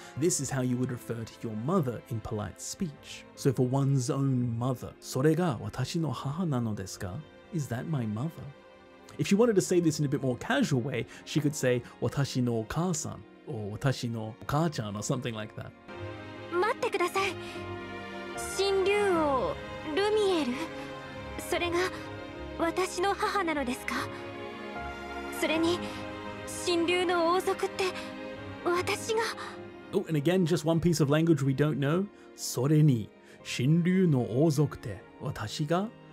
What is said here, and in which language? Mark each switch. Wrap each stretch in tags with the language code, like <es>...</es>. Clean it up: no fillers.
<en>This is how you would refer to your mother in polite speech. So for one's own mother,</en> <ja>それが私の母なのですか?</ja> <en>Is that my mother? If she wanted to say this in a bit more casual way, she could say</en> <ja>私のお母さん</ja> <en>or</en> <ja>私のお母ちゃん</ja> <en>or something like that.</en> <ja>待ってください。神竜王ルミエル、それが私の母なのですか? それに神竜の王族って私が…</ja> <en>Oh, and again, just one piece of language we don't know.</en> <ja>それに神竜の王族って私が?</ja>